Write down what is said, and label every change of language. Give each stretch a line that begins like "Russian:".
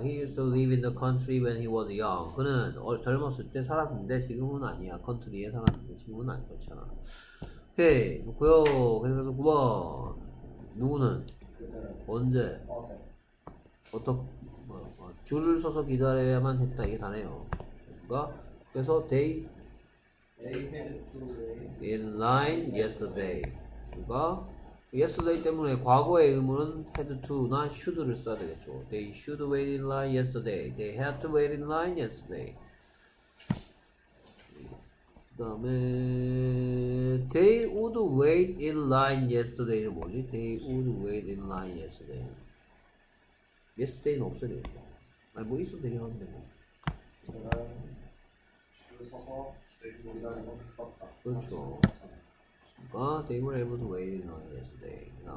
English: He used to live in the country when he was young.
Korean: 그는 젊었을 때 살았는데 지금은 아니야. 컨트리에 살았는데 지금은 아닌 거잖아. 오케이. 좋고요. 계속해서 9번. 누구는? 언제? 어떻게? 줄을 서서 기다려야만 했다. 이게 다네요. 그러니까 그래서
English: they had to wait in line yesterday.
Korean: 그러니까 yesterday 때문에 과거의 의문은 had to나 should를 써야 되겠죠.
English: They should wait in line yesterday. They had to wait in line yesterday.
Korean: 그다음에
English: they would wait in line yesterday
Korean: 는 뭐지?
English: They would wait in line yesterday.
Korean: Yesterday는 없어야 돼요. 아니 뭐 있어도 되긴 한데. 제가 줄 서서 기다리고 있었다. 그렇죠. 그러니까
English: they were able to wait in line yesterday.